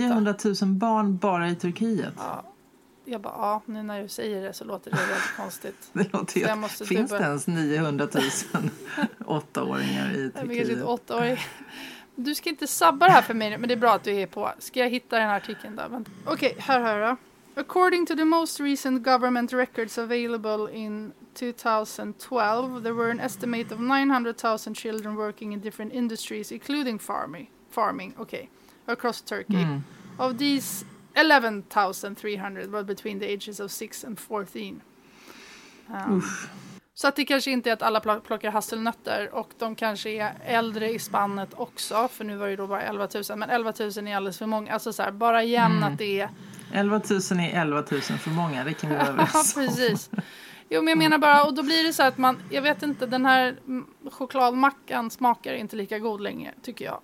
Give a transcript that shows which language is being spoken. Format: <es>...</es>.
<sv>900 000 barn bara i Turkiet? Ja. Jag bara, ja, nu när du säger det så låter det väldigt konstigt. Det låter så jag måste finns typ... det ens 900 000 åttaåringar i Turkiet? Du ska inte sabba det här för mig, men det är bra att du är på. Ska jag hitta den här artikeln då? Okej, här hör jag.</sv> <en>According to the most recent government records available in 2012, there were an estimate of 900 000 children working in different industries, including farming, across Turkey. Mm. Of these... 11,300 but between the ages of 6 and 14.</en> <sv>Så att det kanske inte är att alla plockar hasselnötter. Och de kanske är äldre i spannet också. För nu var det ju då bara 11 000. Men 11 000 är alldeles för många. Alltså så här, bara igen att det är... 11 000 är 11 000 för många, det kan vi vara överens om. Precis. Jo, men jag menar bara, och då blir det så att man, jag vet inte, den här chokladmackan smakar inte lika god längre, tycker jag.</sv>